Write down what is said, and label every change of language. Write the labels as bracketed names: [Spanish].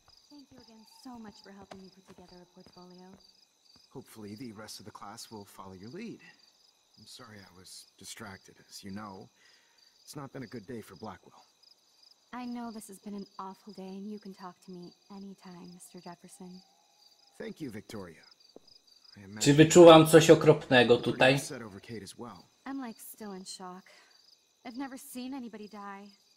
[English] Thank you again so much for helping me put together a portfolio. Hopefully the rest of the class will follow your lead. I'm sorry I was distracted. As you know, it's not been a good day for Blackwell. I know this has been an awful day, and you can talk to me anytime, Mr. Jefferson. Thank you, Victoria. [Polish] Czy wyczuwam coś okropnego tutaj? [English] I'm like still in shock. I've never seen anybody die.